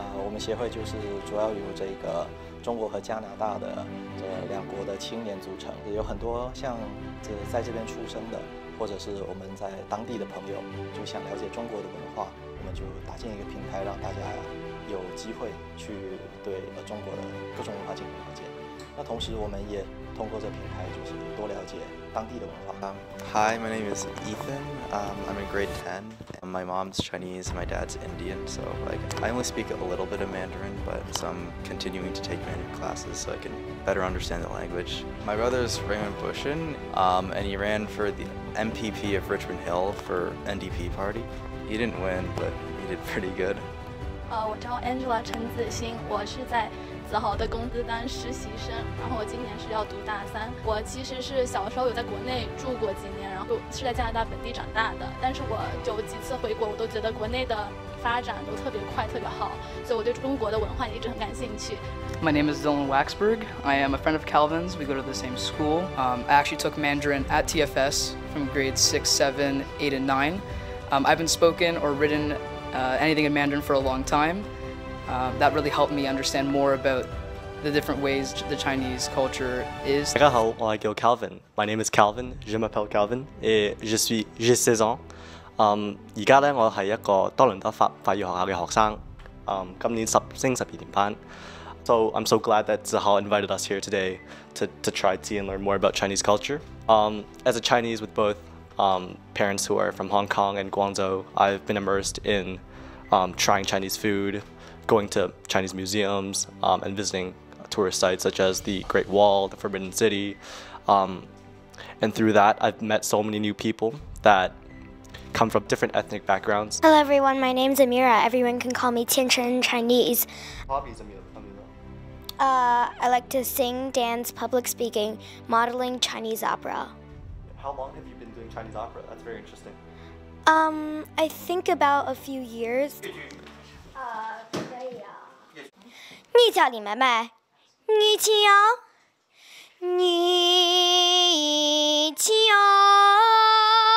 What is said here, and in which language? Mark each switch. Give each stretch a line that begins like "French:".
Chinese: 我们协会就是主要由这个中国和加拿大的这两国的青年组成，也有很多像这在这边出生的或者是我们在当地的朋友，就想了解中国的文化，我们就搭建一个平台，让大家有机会去对中国的各种文化进行了解。那同时我们也通过这平台就是多了解当地的文化。
English: Hi, my name is Ethan. I'm in grade 10. My mom's Chinese, my dad's Indian, so like I only speak a little bit of Mandarin, but so I'm continuing to take Mandarin classes so I can better understand the language. My brother's Raymond Bushin, and he ran for the MPP of Richmond Hill for NDP party. He didn't win, but he did pretty good.
Chinese: 我叫 Angela 陈子欣，我是在子豪的公司当实习生，然后我今年是要读大三。我其实是小时候有在国内住过几年，然后是在加拿大本地长大的，但是我就几次回国，我都觉得国内的发展都特别快特别好，所以我对中国的文化也一直很感兴趣。
English: My name is Dylan Waxberg. I am a friend of Calvin's. We go to the same school. I actually took Mandarin at TFS from grades 6, 7, 8 and 9. I haven't spoken or written anything in Mandarin for a long time. That really helped me understand more about the different ways the Chinese culture is.
Chinese: 大家好，我叫 Calvin.
English: My name is Calvin.
French: Je m'appelle Calvin. Et je suis, j'ai 16 ans.
Chinese: 现在呢，我是一个多伦多法语学校的学生。今年12年班。
English: So I'm so glad that Zihao invited us here today to try tea and learn more about Chinese culture. As a Chinese with both parents who are from Hong Kong and Guangzhou, I've been immersed in trying Chinese food, going to Chinese museums, and visiting tourist sites such as the Great Wall, the Forbidden City. And through that, I've met so many new people that come from different ethnic backgrounds. Hello everyone, my name's Amira. Everyone can call me Tianchen Chinese. Hobbies, Amira? I like to sing, dance, public speaking, modeling Chinese opera. How long have you been doing Chinese opera? That's very interesting. I think about a few years.
Chinese: 你家里妹妹，你请哦，你请哦。